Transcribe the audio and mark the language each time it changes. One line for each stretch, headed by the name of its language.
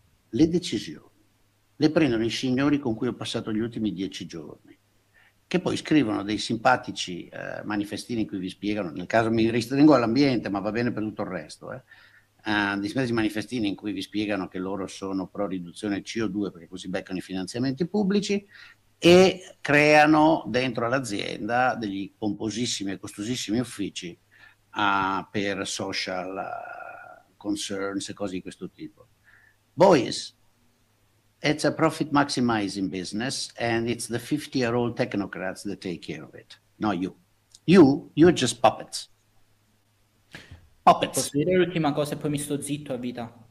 Italian: le prendono i signori con cui ho passato gli ultimi 10 giorni, che poi scrivono dei simpatici manifestini in cui vi spiegano, nel caso mi ristringo all'ambiente, ma va bene per tutto il resto, dei manifestini in cui vi spiegano che loro sono pro riduzione CO2 perché così beccano i finanziamenti pubblici, e creano dentro all'azienda degli pomposissimi e costosissimi uffici per social concerns e cose di questo tipo.
English: Boys, it's a profit maximizing business and it's the 50-year-old technocrats that take care of it, not you. You're just puppets.
Italian: Posso dire l'ultima cosa e poi mi sto zitto a vita.